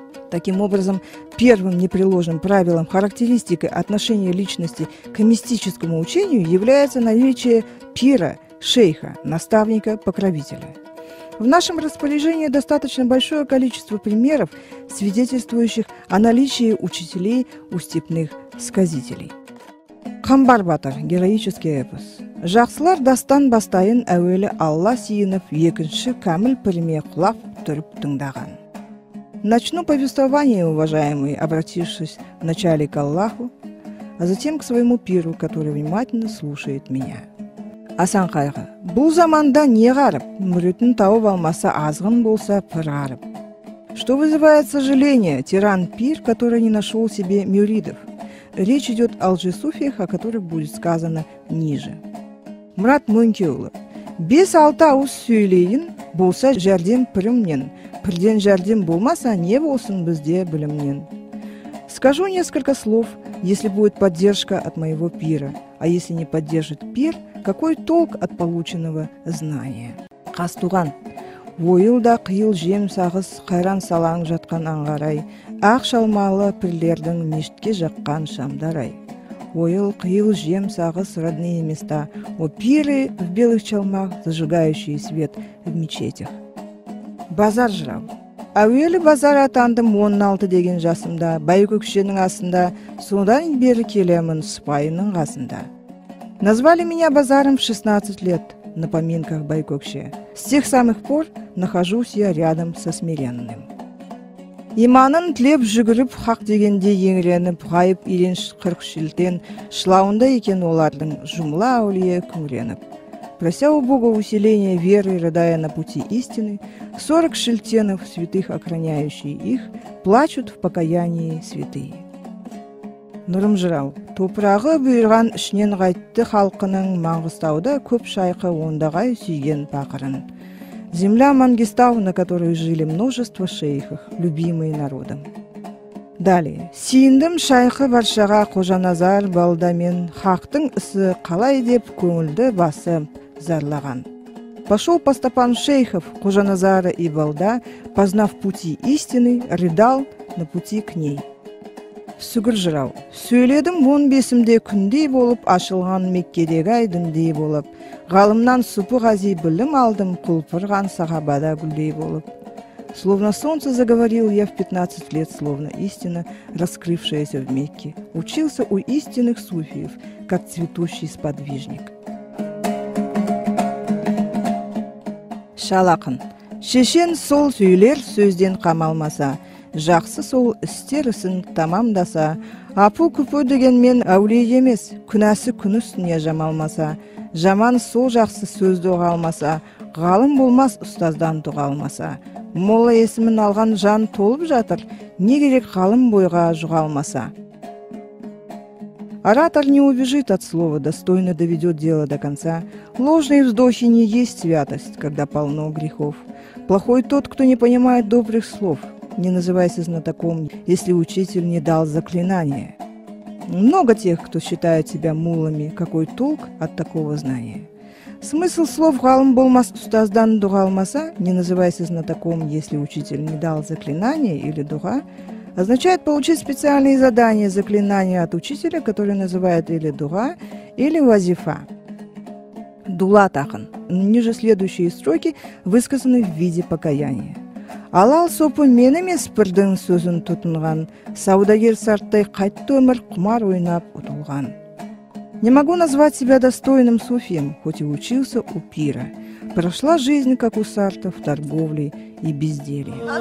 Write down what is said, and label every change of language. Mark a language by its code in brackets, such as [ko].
[ru] Таким образом, первым непреложным правилом характеристики отношения личности к мистическому учению является наличие пира, шейха, наставника, покровителя. В нашем распоряжении достаточно большое количество примеров, свидетельствующих о наличии учителей у степных сказителей. Хамбар Батыр – героический эпос. [kk] Жақсылар дастан бастайын әуелі Алла сиынып, екінші кәміл пірме құлап тұрып тыңдаған. [ru] Начну повествование, уважаемый, обратившись вначале к Аллаху, а затем к своему пиру, который внимательно слушает меня. [kk] Асан қайғы. Бұл заманда не ғарып, мүрітін тауып алмаса азғын болса пыр ғарып. [ru] Что вызывает сожаление, тиран пир, который не нашел себе мюридов. Речь идет о лжесуфиях, о которых будет сказано ниже. [kk] Мұрат Мөңкеұлы. Бес алты ауыз сөйлейін, болса жәрдем пірімнен. Пірден жәрдем болмаса, не болсын бізде білімнен. [ru] Скажу несколько слов, если будет поддержка от моего пира. А если не поддержит пир, какой толк от полученного знания? [kk] Қастуған. Ойыл да қиыл жем сағыз, қайран салаң жатқан аңғарай. Ақ шалмалы пірлердің мешітке жаққан шамдарай. [ru] Ойыл қиыл жем сағыз родные места. О пиры в белых чалмах, зажигающие свет в мечетях. [kk] Базар жырау. Әуелі базар атандым 16 деген жасымда, байкөкшенің асында, содан бері келемін сыпайының қасында. [ru] Назвали меня базаром в 16 лет на поминках байкөкше. С тех самых пор нахожусь я рядом со смиренным. [kk] Иманын тлеп жүгіріп, хақ дегенде еңіреніп, ғайып елен қырқ шілтен, шылауында екен олардың жұмыла әулие күңіреніп. [ru] Прося у Бога усиления веры, рыдая на пути истины, 40 шельтенов святых, охраняющие их, плачут в покаянии святые. [kk] Нұрым жырау. Топырағы бұйырған ішнен ғайтты халқының Маңғыстауда көп шайқы ондағай сүйген пақырын. [ru] Земля Маңғыстау, на которой жили множество шейхов, любимые народом. Далее. [kk] Сиындым шайқы баршаға Қожаназар балдамен, хақтың ісі қалай деп көңілді басып, зарлаған. [ru] Пошел по стопам шейхов Кожаназара и Балда, познав пути истины, рыдал на пути к ней. [kk] Сүгір жырау. Сөйледім 15-де күндей болып, ашылған Меккедегі айдындей болып, ғалымнан сұпы ғази білім алдым, құлпырған сахабада гүлдей болып. [ru] Словно солнце заговорил я в 15 лет, словно истина, раскрывшаяся в Мекке. Учился у истинных суфиев, как цветущий сподвижник. [kk] Шалақын. Шешен сол сөйлер сөзден қамалмаса, жақсы сол істер ісін тамамдаса, апу күпі дегенмен әулей емес, күнәсі күн үстіне жамалмаса, жаман сол жақсы сөзді ұғалмаса, ғалым болмас ұстаздан тұғалмаса, молла есімін алған жан толып жатыр, не керек ғалым бойға жұғалмаса. [ru] Оратор не убежит от слова, достойно доведет дело до конца. Ложные вздохи не есть святость, когда полно грехов. Плохой тот, кто не понимает добрых слов. Не называйся знатоком, если учитель не дал заклинания. Много тех, кто считает себя муллами. Какой толк от такого знания? Смысл слов [kk] «галм болмас устаздан дугалмаса» [ru] «не называйся знатоком, если учитель не дал заклинания» или «дуга» означает получить специальные задания, заклинания от учителя, которые называют или дуга, или вазифа. Дулатахан. Ниже следующие строки высказаны в виде покаяния. [kk] Алал сопу менеме спырдын сөзін тутынған, саудагер сарттай қайтты өмір құмар ойнап ұтылған. [ru] Не могу назвать себя достойным суфием, хоть и учился у пира. Прошла жизнь, как у сартов, торговли и безделье.